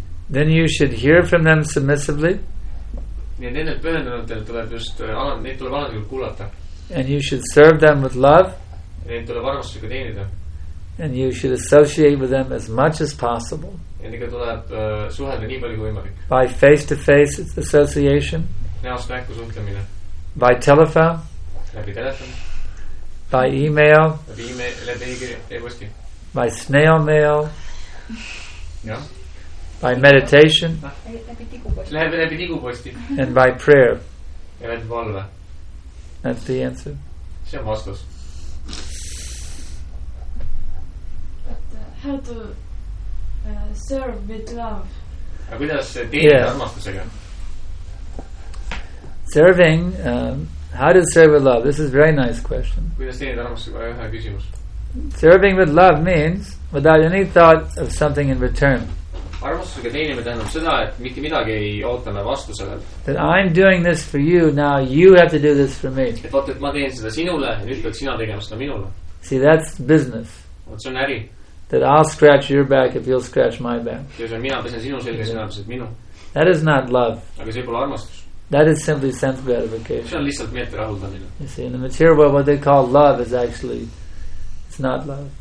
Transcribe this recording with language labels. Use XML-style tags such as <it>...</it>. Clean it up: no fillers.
<en>then you should hear from them submissively,</en> <et>nii et nendel pühendunudel tuleb just neid tuleb alandikult kuulata,</et> <en>and you should serve them with love,</en> <et>neid tuleb armastusega teenida,</et> <en>and you should associate with them as much as possible,</en> <et>ja nii tuleb suhelda nii palju kui võimalik,</et> <en>by face to face association,</en> <et>näost näkku suhtlemine,</et> <en>by telephone,</en> <et>läbi telefon,</et> <en>by email,</en> <et>läbi e-posti,</et> <en>by snail mail,</en> <et>ja</et> <en>by meditation,</en> <et>läbi tiguposti,</et> <en>and by prayer,</en> <et>ja läbi valve.</et> <en>That's the answer.</en> <et>See on vastus.</et> <en>how to serve with love.</en> <et>Aga kuidas teenida armastusega?</et> <en>Serving, how to serve with love? This is a very nice question.</en> <et>Kuidas teenida armastusega? Väga hea küsimus.</et> <en>Serving with love means without any thought of something in return.</en> <et>Armastusega teenime tähendab seda, et mitte midagi ei ootame vastu sellel.</et> <en>That I'm doing this for you, now you have to do this for me.</en> <et>Et vaata, et ma teen seda sinule ja nüüd pead sina tegema seda minule.</et> <en>See, that's business.</en> <et>See on äri.</et> <en>That I'll scratch your back if you'll scratch my back. That is not love.</en> <et>Aga see pole armastus.</et> <en>That is simply sense gratification.</en> <et>See on lihtsalt meelte rahuldamine.</et> <en>You see, in the material world, what they call love is actually, it's not love.</en>